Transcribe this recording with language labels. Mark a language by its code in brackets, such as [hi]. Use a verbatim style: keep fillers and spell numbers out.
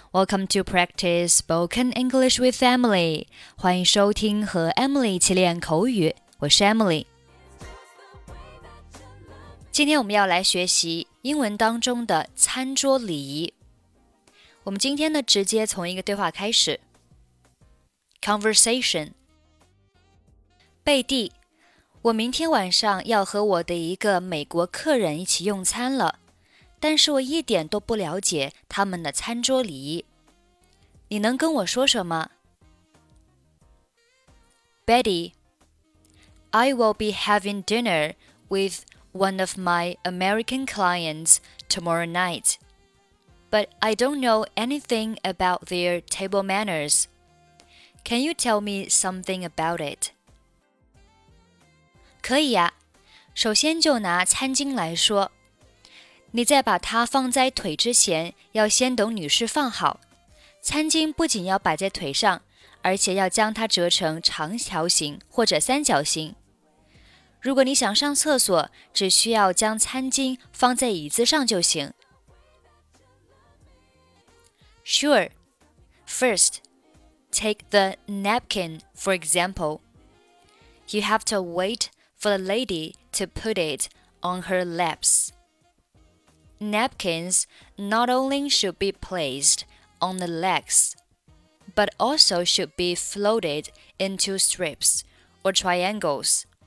[en] Welcome to practice spoken English with Emily. [zh] 欢迎收听和 Emily 一起练口语，我是 Emily。今天我们要来学习英文当中的餐桌礼仪。我们今天呢，直接从一个对话开始。 [en] Conversation. [zh] 贝蒂，我明天晚上要和我的一个美国客人一起用餐了。但是我一点都不了解他们的餐桌礼仪，你能跟我说什么 [en] ？Betty, I will be having dinner with one of my American clients tomorrow night, but I don't know anything about their table manners. Can you tell me something about it? [zh] 可以呀，首先就拿餐巾来说。你在把它放在腿之前，要先等女士放好。餐巾不仅要摆在腿上，而且要将它折成长条形或者三角形。如果你想上厕所，只需要将餐巾放在椅子上就行。 [en] Sure. First, take the napkin, for example. You have to wait for the lady to put it on her laps. Napkins not only should be placed on the legs, but also should be folded into strips or triangles.